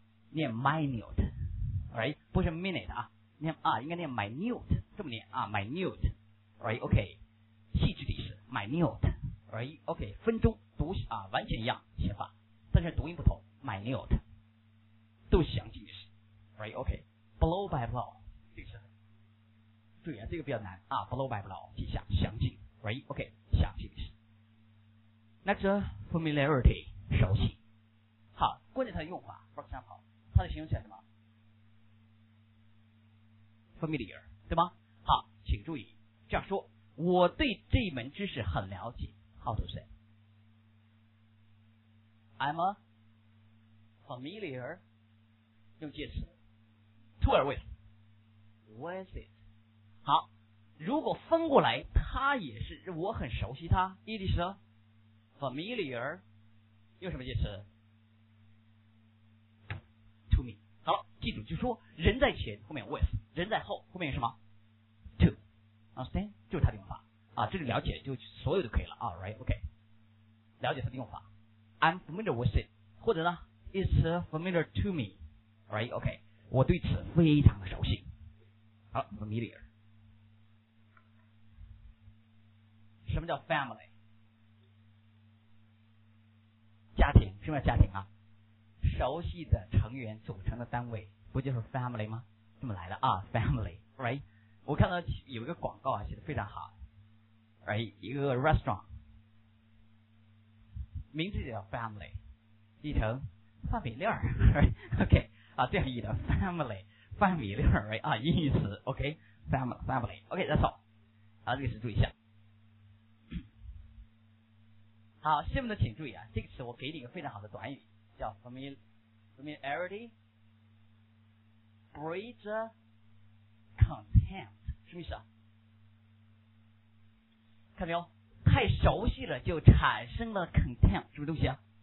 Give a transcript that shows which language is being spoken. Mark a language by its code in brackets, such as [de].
[zh] 念 minute， right， 不是 minute 啊，念啊，应该念 minute， 这么念啊， minute， right， OK， 细致的意思， minute， right， OK， 分钟读啊，完全一样写法，但是读音不同， minute， 都详尽的意思， right， OK， blow by blow。对啊，这个比较难啊， blow by blow， 记下，详尽， right， OK， 详尽。 [en] Next， familiarity， 熟悉。 [zh] 好，关键它的用法， [en] for example， [zh] 它的形容词什么？ familiar， 对吗？好，请注意，这样说，我对这门知识很了解。 [en] How to say？ I'm a familiar， [zh] 用介词， [en] to or with， with it。 [zh] 好，如果分过来，他也是，我很熟悉他。 [en] It is a familiar， [zh] 用什么介词？ [en] To me。 [zh] 好了，记住，就说人在前，后面 with； 人在后，后面什么？ [en] To。 Understand？ [zh] 就是他的用法啊，这里了解就所有都可以了啊。Right？ OK， 了解他的用法。 [en] I'm familiar with it， [zh] 或者呢 [en] It's familiar to me。Right？ [zh] OK， 我对此非常的熟悉。好， familiar。什么叫 family？家庭，什么叫家庭啊？熟悉的成员组成的单位，不就是 family 吗？这么来的啊， family， right？ 我看到有一个广告啊，写得非常好， right？一个 restaurant， 名字叫 family， 译成范米粒儿， right？ OK， 啊，这样译的 family， 范米粒儿， right？ 啊，英语词， OK， family， OK， [en] that's all。 [zh] 好，这个词注意一下。好，下面的请注意啊，这个词我给你一个非常好的短语，叫 [en] familiarity breeds contempt， [zh] 什么意思啊？看没有，太熟悉了就产生了 contempt， 什么东西啊？